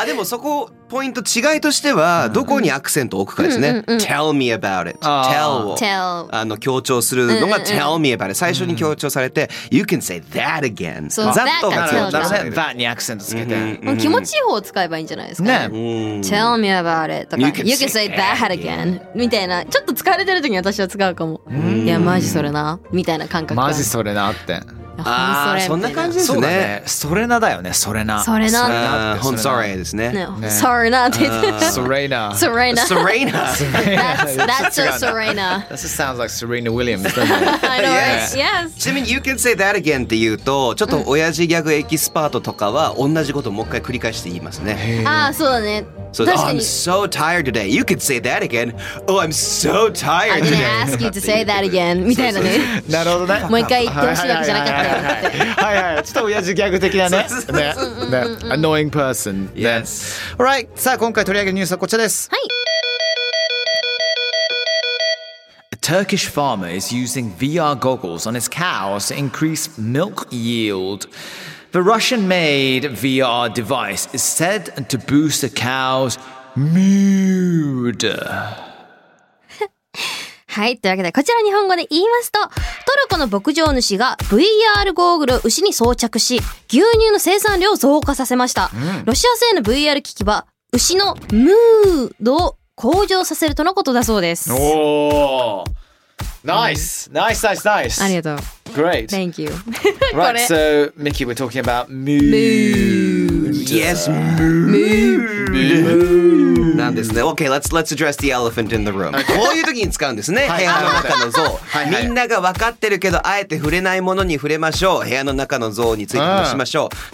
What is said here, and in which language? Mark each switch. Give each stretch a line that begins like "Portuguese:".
Japanese: あ、でもそこポイント違いとしてはどこにアクセントを置くかですね、うんうんうん、
English: Tell me about it。
Japanese: Tell を
English: Tell
Japanese: あの強調するのが
English: Tell me about it。
Japanese: 最初に強調されて、うん、
English: You can say that again。
Japanese: そう、That が強調だ。 That にアクセントつけて、うんうんうん、気持ちいい方を使えばいいんじゃないですかね、うん、
English: Tell me about it
Japanese: とか
English: You can say that again
Japanese: みたいな。ちょっと疲れてる時に私は使うかも、うん、いやマジそれなみたいな感覚。マジそれなって。あ、そんな感じですね。それなだよね。それな。それな。本当に sorry ですね。 sorry なって。
English: Serena。 Serena。 Serena。 That's just Serena。 That sounds like Serena Williams。 I know it. Yes。
Japanese: ちなみに
English: You can say that again
Japanese: って言うと、ちょっと親父ギャグエキスパートとかは同じことをもう一回繰り返して言いますね。ああ、そうだね。
English: So, I'm so tired today. You could say that again. Oh, I'm so tired today. I'm gonna ask you to say that again.
Japanese: みたいなね。なるほどね。もう一回言ってほしいわけじゃなかったよ。はいはい。ちょっと親父ギャグ的なね。
English: Annoying person. Yes. All right.
Japanese: さあ、今回取り上げるニュースはこちらです。はい。
English: Turkish farmer is using VR goggles on his cows to increase milk yield. The Russian-made VR device is said to boost a cow's mood.
Japanese: はい、というわけでこちら日本語で言いますと、トルコの牧場主が VR ゴーグルを牛に装着し、牛乳の生産量を増加させました。うん、ロシア製の VR 機器は牛のムードを向上させるとのことだそうです。
English: おー。Nice. Nice, nice, nice.
Japanese: ありがとう。
English: Great. Thank you. Right, so, Mickey, we're talking about mood. Mood. Yes, moo. Moo. Moo. Okay, let's address the elephant in the room.
Japanese: こういう時に使うんですね。部屋の中の像。みんなが分かってるけど、あえて触れないものに触れましょう。部屋の中の像についてもしましょう。